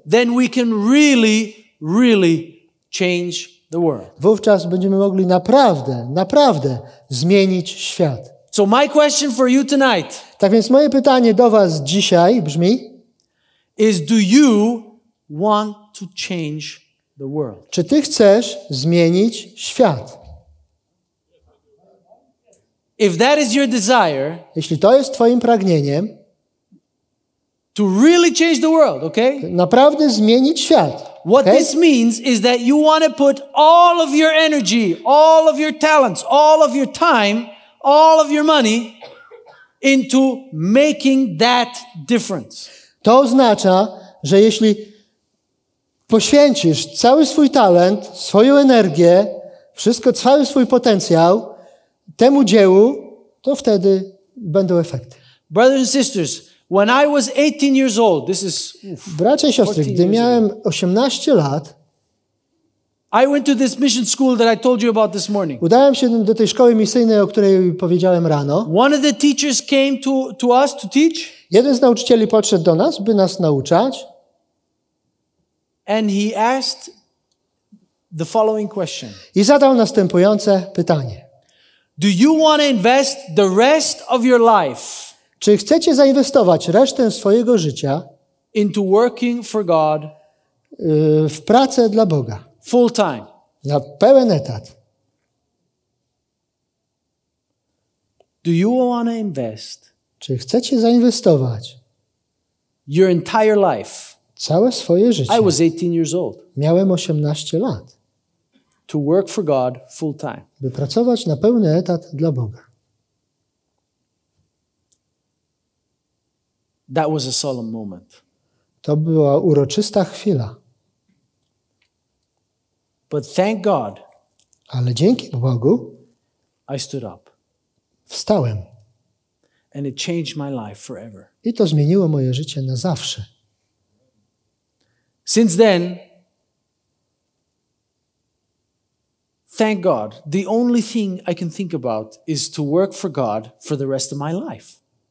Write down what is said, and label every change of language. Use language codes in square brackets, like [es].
[en] then we can really, really change the world. [pl] Wówczas będziemy mogli naprawdę, naprawdę zmienić świat. [en] So my question for you tonight. [pl] Tak więc moje pytanie do was dzisiaj brzmi: [en] is do you want to change the world? [pl] Czy ty chcesz zmienić świat? [en] If that is your desire, [pl] jeśli to jest twoim pragnieniem, [en] to really change the world, okay? [pl] Naprawdę zmienić świat. [en] What this means is that you want to put all of your energy, all of your talents, all of your time, all of your money into making that difference. [pl] To oznacza, że jeśli poświęcisz cały swój talent, swoją energię, wszystko, cały swój potencjał temu dziełu, to wtedy będą efekty. [en] Brothers and sisters, when I was 18 years old, this is [pl] bracia i siostry, gdy miałem 18 lat, [en] I went to this mission school that I told you about this morning. [pl] Udałem się do tej szkoły misyjnej, o której powiedziałem rano. [en] One of the teachers came to us to teach. [pl] Jeden z nauczycieli podszedł do nas, by nas nauczać. [en] And he asked the following question. [pl] I zadał następujące pytanie. [en] Do you want to invest the rest of your life? [pl] Czy chcecie zainwestować resztę swojego życia [en] into working for God? [pl] W pracę dla Boga. [en] Full time. [pl] Na pełen etat. [en] Do you want to invest? [pl] Czy chcecie zainwestować [en] your entire life? [pl] Całe swoje życie. [en] I was 18 years old. [pl] Miałem 18 lat. [en] To work for God full time. [pl] By pracować na pełny etat dla Boga. [en] That was a solemn moment. [pl] To była uroczysta chwila. [en] But thank God. [pl] Ale dzięki Bogu. [en] I stood up. [pl] Wstałem. [en] And it changed my life forever. [pl] I to zmieniło moje życie na zawsze. [en] Since then, thank God, the only thing I can think about is to work for God for the rest of my life.